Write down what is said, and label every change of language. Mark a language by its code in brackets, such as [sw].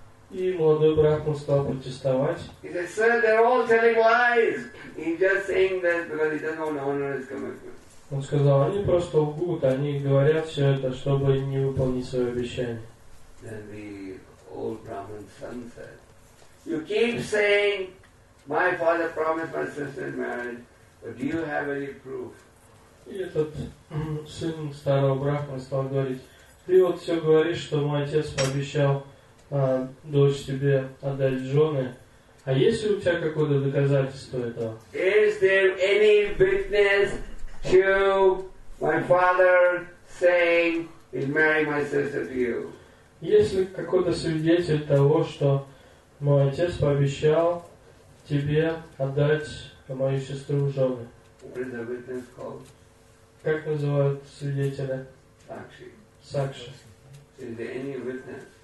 [ru] И молодой брахман стал протестовать. [en] He said, "Sir, they're all telling lies. He's just saying that because he doesn't want honor his commitment." [ru] Он сказал: «Они просто лгут, они говорят все это, чтобы не выполнить свое обещание». [en] Then the old brahman's son said, "You keep saying my father promised my sister in marriage, but do you have any proof?" [ru] И этот сын старого брахмана стал говорить: «Ты вот все говоришь, что мой отец пообещал дочь тебе отдать жены. А есть ли у тебя какое-то доказательство этого?» [en] Is there any witness to my father saying he'll marry my sister to you? [ru] Есть ли какой-то свидетель того, что мой отец пообещал тебе отдать мою сестру в жены? [en] What is the witness called? [ru] Как называют свидетеля? [sa] Sakshi. [ru] Сакши. [en] Is there any witness?